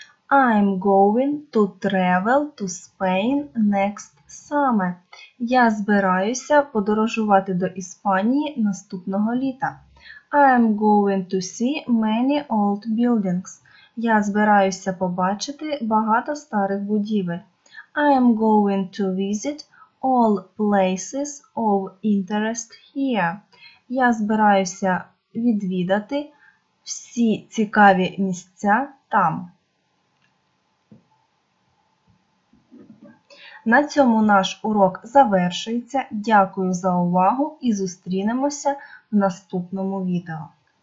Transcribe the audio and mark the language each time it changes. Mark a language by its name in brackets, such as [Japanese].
[English] I'm going to travel to Spain next summer. [Ukrainian] Я збираюся подорожувати до Іспанії наступного літа. [English] I'm going to see many old buildings. [Ukrainian] Я збираюся побачити багато старих будівель. [English] I'm going to visit all places of interest here. [Ukrainian] Я збираюся відвідати всі цікаві місця там. На цьому наш урок завершується. Дякую за увагу і зустрінемося в наступному відео.